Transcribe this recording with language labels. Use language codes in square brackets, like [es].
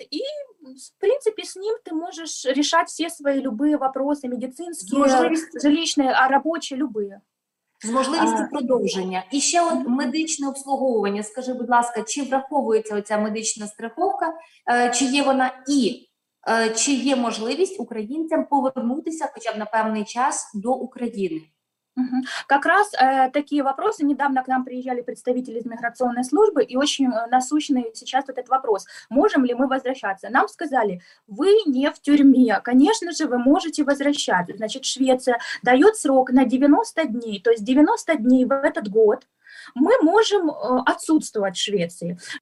[ru] И, в принципе, с ним ты можешь решать все свои любые вопросы, медицинские, жилищные, рабочие, любые. [uk] З можливістю продовження. І ще от медичне обслуговування. Скажи, будь ласка, чи враховується оця медична страховка, чи є вона, і чи є можливість українцям повернутися хоча б на певний час до України? [ru] Как раз такие вопросы. Недавно к нам приезжали представители из миграционной службы, и очень насущный сейчас вот этот вопрос. Можем ли мы возвращаться? Нам сказали, вы не в тюрьме. Конечно же, вы можете возвращаться. Значит, Швеция дает срок на 90 дней, то есть 90 дней в этот год мы можем отсутствовать в Швеции.